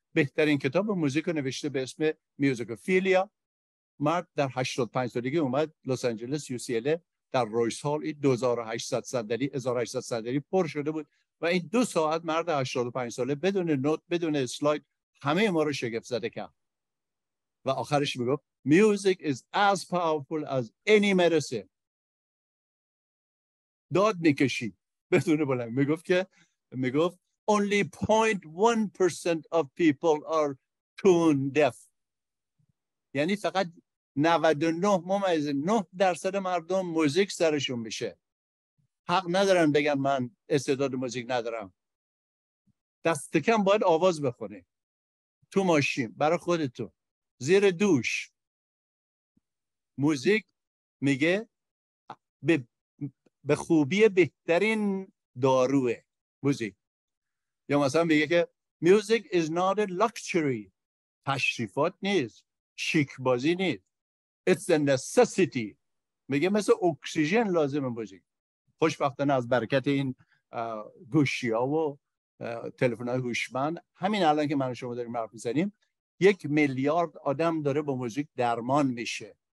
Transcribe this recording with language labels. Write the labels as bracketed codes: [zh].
[fa] بهترین کتاب موزیک رو نوشته به اسم میوزیکوفیلیا. مرد در 85 سالگی اومد لس آنجلس یو سی ال در رویس هال، 1800 صندلی پر شده بود و این 2 ساعت مرد 85 ساله بدون نوت، بدون اسلاید، همه ما رو شگفت زده کرد. و آخرش میگفت [en] Music is as powerful as any medicine. [fa] داد میکشید بدون بلند. میگفت [en] Only 0.1% of people are tone deaf. [fa] یعنی فقط 99.9% مردم موزیک سرشون میشه. حق ندارن بگن من استعداد موزیک ندارم. دست کم باید آواز بخونی تو ماشین برای خودتو زیر دوش. موزیک میگه به خوبی بهترین داروه موزیک. یا مثلا میگه که [en] Music is not a luxury. [fa] تشریفات نیست، شیک بازی نیست. [en] It's a necessity. [fa] میگه مثل اکسیژن لازم موزیک. خوشبختانه از برکت این گوشی ها و تلفن های هوشمند، همین الان که من و شما داریم حرف میزنیم، 1 میلیارد آدم داره با موزیک درمان میشه.